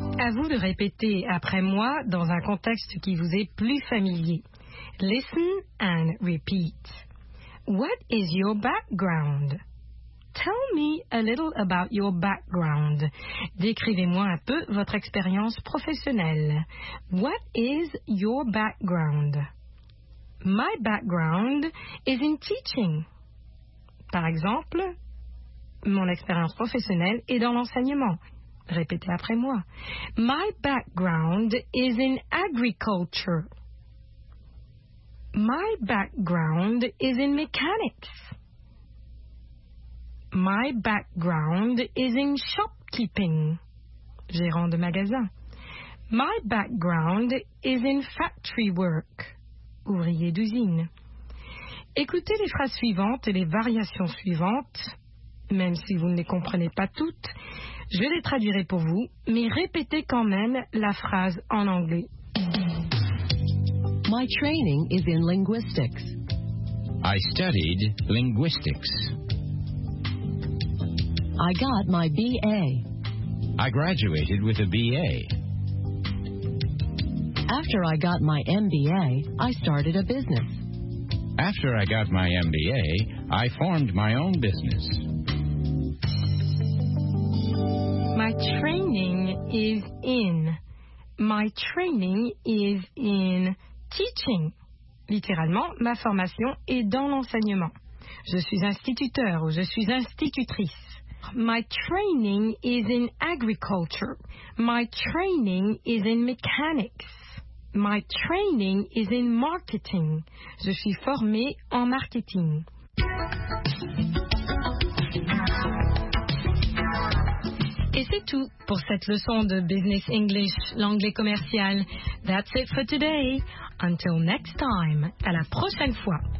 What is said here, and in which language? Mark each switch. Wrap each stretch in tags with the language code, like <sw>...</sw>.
<fr>vous de répéter après moi dans un contexte qui vous est plus familier.</fr> <en>Listen and repeat. What is your background? Tell me a little about your background.</en> <fr>Décrivez-moi un peu votre expérience professionnelle.</fr> <en>What is your background? My background is in teaching.</en> <fr>Par exemple, mon expérience professionnelle est dans l'enseignement. Répétez après moi.</fr> <en>My background is in agriculture. My background is in mechanics. My background is in shopkeeping.</en> <fr>Gérant de magasin.</fr> <en>My background is in factory work.</en> <fr>Ouvrier d'usine. Écoutez les phrases suivantes et les variations suivantes. Même si vous ne les comprenez pas toutes, je les traduirai pour vous, mais répétez quand même la phrase en anglais.</fr> <en>My training is in linguistics. I studied linguistics. I got my BA. I graduated with a BA. After I got my MBA, I started a business. After I got my MBA, I formed my own business. My training is in. My training is in teaching.</en> <fr>Littéralement, ma formation est dans l'enseignement. Je suis instituteur ou je suis institutrice.</fr> <en>My training is in agriculture. My training is in mechanics. My training is in marketing.</en> <fr>Je suis formée en marketing. Et c'est tout pour cette leçon de Business English, l'anglais commercial.</fr> <en>That's it for today. Until next time,</en> <fr>à la prochaine fois.</fr>